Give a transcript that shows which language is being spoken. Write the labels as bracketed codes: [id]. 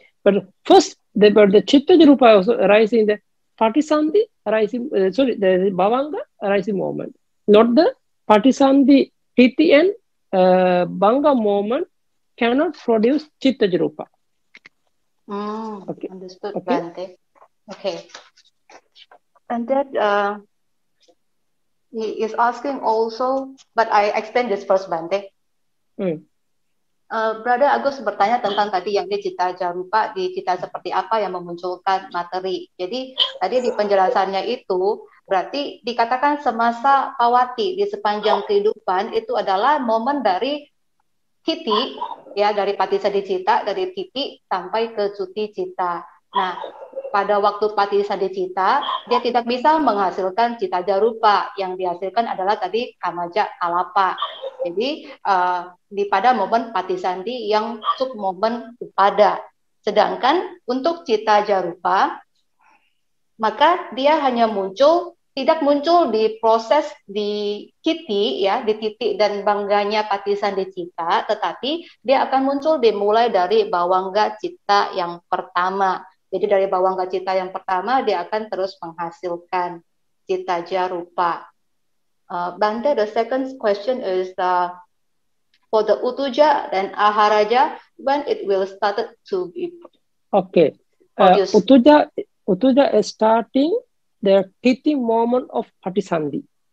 [en] But first the chittaja rupa also arising in the Patisandhi arising, the bhavanga arising moment, not the patisandhi titi and bhanga moment cannot produce chitta jarupa. Okay. Understood, okay. Bante. Okay. And that he is asking also, but I explain this first, Bante. [id] Brother Agus bertanya tentang tadi yang dia cita jarupa di cita seperti apa yang memunculkan materi. Jadi tadi di penjelasannya itu berarti dikatakan semasa pawati di sepanjang kehidupan itu adalah momen dari titi ya, dari patisadi cita, dari titi sampai ke cuti cita. Nah, pada waktu patisadi cita dia tidak bisa menghasilkan cita jarupa, yang dihasilkan adalah tadi kamaja kalapa. Jadi di pada momen patisandi yang sub momen upada, sedangkan untuk cita jarupa maka dia hanya muncul, tidak muncul di proses di kiti ya, di titik dan bangganya patisandi cita, tetapi dia akan muncul dimulai dari bawangga cita yang pertama. Jadi dari bawangga cita yang pertama dia akan terus menghasilkan cita jarupa. [en] Bante, the second question is for the utuja dan aharaja, when it will started to be okay. Utuja is starting the titi moment of patisandhi.